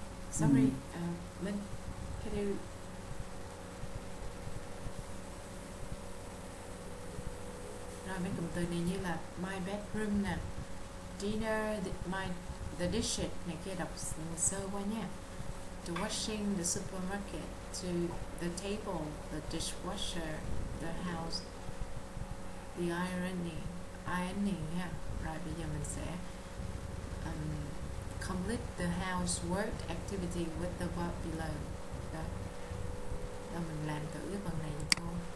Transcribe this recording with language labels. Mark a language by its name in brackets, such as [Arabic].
[English] Sorry, Minh, can you... [Vietnamese] Rồi, mấy cụm từ này như là my bedroom nè, dinner, the dishes này kia, đọc sơ qua nha. [English] The washing, the supermarket, to the table, the dishwasher, the house, the ironing nha. [Vietnamese] Rồi, bây giờ mình sẽ... [English] complete the housework activity with the verb below. [Vietnamese] Đó. Đó mình làm thử cái phần này thôi.